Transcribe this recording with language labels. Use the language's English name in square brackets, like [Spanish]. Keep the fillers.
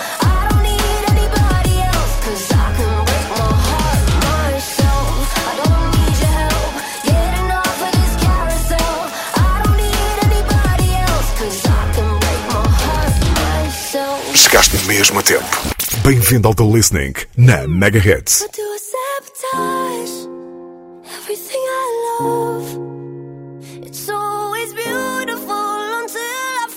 [English] I don't need anybody else, 'cause I can break my heart myself. I don't need your help, get enough of this carousel. I don't need anybody else, 'cause I can break my heart myself. [Portuguese] Chegaste mesmo a tempo. Bem-vindo ao The Listening na Megahertz. [English] I do I sabotage everything I love? It's always beautiful until